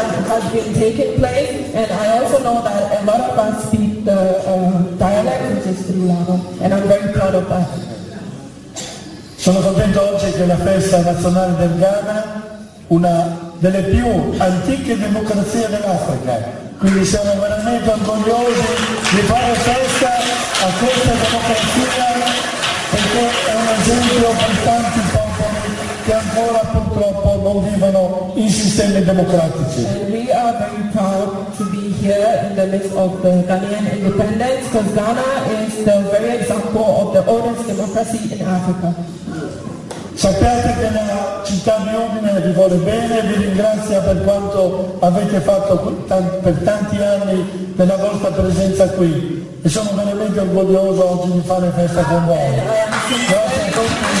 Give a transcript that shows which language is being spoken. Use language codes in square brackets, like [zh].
[en] Has been taking place, and I also know that a lot of us speak the dialect, which is Sri Lanka, and I'm very proud of that. [it] Sono contento oggi che la festa nazionale del Ghana, una delle più antiche democrazie dell'Africa, quindi siamo veramente orgogliosi di fare festa a questa democrazia, perché è un esempio per tanti popoli che ancora purtroppo non vivono in sistemi democratici. [en] And we are very proud to be here in the midst of the Ghanaian independence, because Ghana is the very example of the oldest democracy in Africa. [it] Sappiate che la città di Udine vi vuole bene, vi ringrazia per quanto avete fatto per tanti anni della vostra presenza qui. E sono veramente orgoglioso oggi di fare festa con voi. Grazie a tutti.